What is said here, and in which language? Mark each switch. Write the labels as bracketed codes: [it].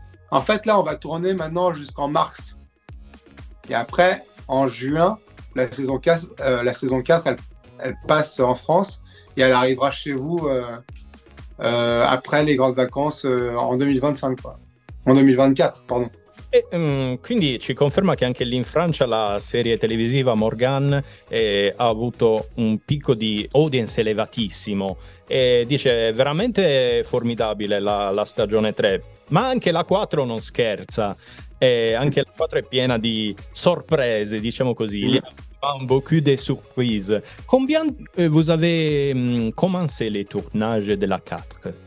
[fr] En fait, là, on va tourner maintenant jusqu'en mars. Et après, en juin, la saison 4, elle passe en France et elle arrivera chez vous après les grandes vacances en 2025, quoi. En 2024, pardon. [it] E, quindi ci conferma che anche lì in Francia la serie televisiva Morgan ha avuto un picco di audience elevatissimo e dice veramente formidabile la stagione 3, ma anche la 4 non scherza, anche la 4 è piena di sorprese, diciamo così, [fr] beaucoup de surprises. Combien vous avez commencé les tournages de la 4?